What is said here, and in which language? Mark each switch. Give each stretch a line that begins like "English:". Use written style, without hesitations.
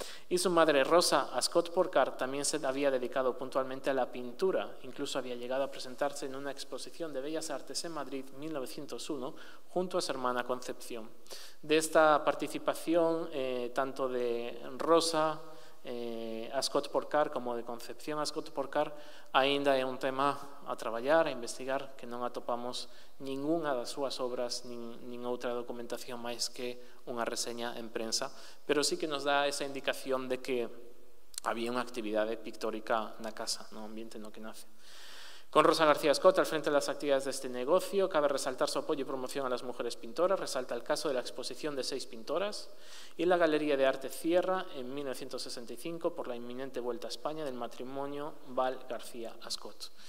Spanish: Y su madre, Rosa Ascot Porcar, también se había dedicado puntualmente a la pintura. Incluso había llegado a presentarse en una exposición de Bellas Artes en Madrid, 1901, junto a su hermana Concepción. De esta participación, tanto de Rosa
Galician: Ascot por Car, como de Concepción Ascot por Car, ainda é un tema a traballar, a investigar, que non atopamos ninguna das súas obras nin outra documentación máis que unha reseña en prensa, pero sí que nos dá esa indicación de que había unha actividade pictórica na casa, no ambiente no que nace.
Spanish: Con Rosa García Scott, al frente de las actividades de este negocio, cabe resaltar su apoyo y promoción a las mujeres pintoras, resalta el caso de la exposición de 6 pintoras y la Galería de Arte cierra en 1965 por la inminente vuelta a España del matrimonio Val García Scott.